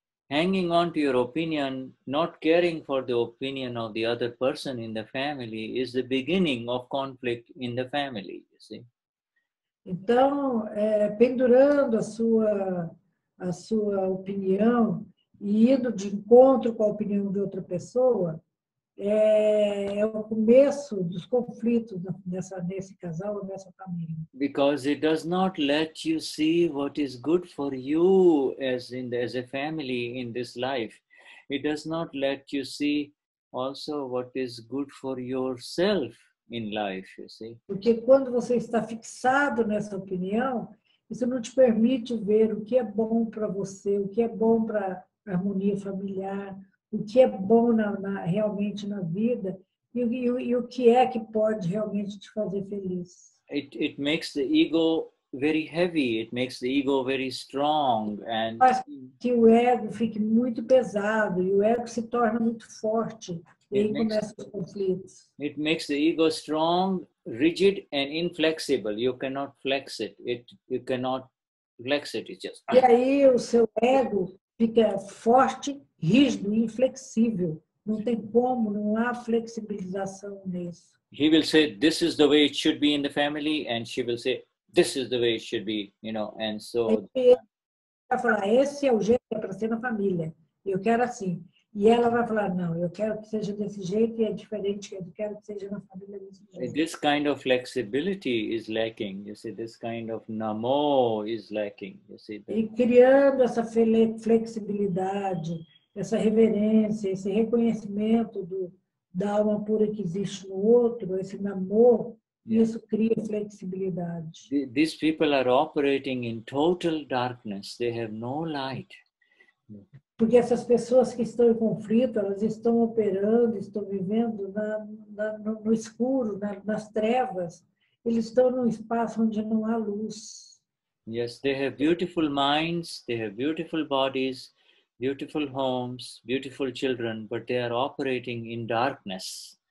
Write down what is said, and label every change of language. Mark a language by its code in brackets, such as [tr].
[en] Hanging on to your opinion, not caring for the opinion of the other person in the family is the beginning of conflict in the family, you see. [pt] Então, pendurando a sua opinião e indo de encontro com a opinião de outra pessoa, é o começo dos conflitos nesse casal, nessa família. [en] Because it does not let you see what is good for you as a family in this life. It does not let you see also what is good for yourself in life, you see. [pt] Porque quando você está fixado nessa opinião, isso não te permite ver o que é bom para você, o que é bom para a harmonia familiar, o que é bom realmente na vida e o que é que pode realmente te fazer feliz. [en] It makes the ego very heavy, it makes the ego very strong. And [pt] faz que o ego fique muito pesado e o ego se torna muito forte e aí começa os conflitos. [en] It makes the ego strong, rigid and inflexible. You cannot flex it. It's just... [pt] E aí o seu ego fica forte, rígido, inflexível. Não tem como, não há flexibilização nisso. [en] He will say, this is the way it should be in the family, and she will say, this is the way it should be, you know, and so... [pt] Ele vai falar, esse é o jeito que é para ser na família. Eu quero assim. E ela vai falar, não, eu quero que seja desse jeito e é diferente, eu quero que seja na família desse jeito. [en] This kind of flexibility is lacking, you see, this kind of namo is lacking, you see. [pt] E criando essa flexibilidade, essa reverência, esse reconhecimento da alma pura que existe no outro, esse namor, yeah, isso cria flexibilidade. [en] These people are operating in total darkness. They have no light. [pt] Porque essas pessoas que estão em conflito, elas estão operando, estão vivendo no escuro, nas trevas. Eles estão num espaço onde não há luz. [en] Yes, they have beautiful minds, they have beautiful bodies, beautiful homes, beautiful children, but they are operating in darkness.